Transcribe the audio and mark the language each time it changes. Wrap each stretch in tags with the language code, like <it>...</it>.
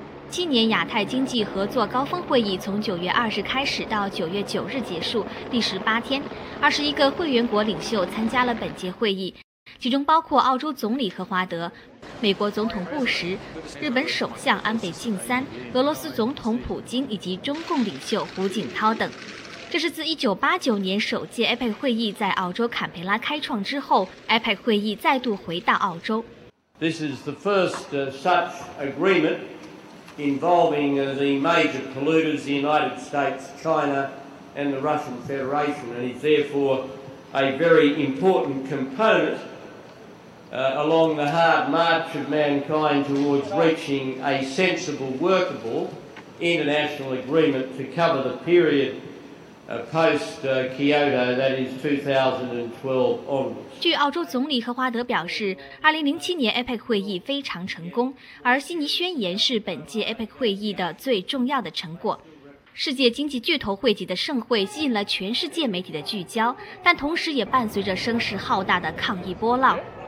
<zh>今年亚太经济合作高峰会议从9月20日开始到9月9日结束，历时8天，21个会员国领袖参加了本届会议，其中包括澳洲总理赫华德、美国总统布什、日本首相安倍晋三、俄罗斯总统普京以及中共领袖胡锦涛等。这是自1989年首届 APEC 会议在澳洲坎培拉开创之后， APEC 会议再度回到澳洲。</zh> <en>This is the first such agreement involving the major polluters, the United States, China and the Russian Federation, and is therefore a very important componentalong the hard march of mankind towards reaching a sensible, workable international agreement to cover the period post-Kyoto, that is 2012 onwards.</en> <zh>据澳洲总理赫华德表示，2007年 APEC 会议非常成功，而悉尼宣言是本届 APEC 会议的最重要的成果。世界经济巨头汇集的盛会吸引了全世界媒体的聚焦，但同时也伴随着声势浩大的抗议波浪。</zh>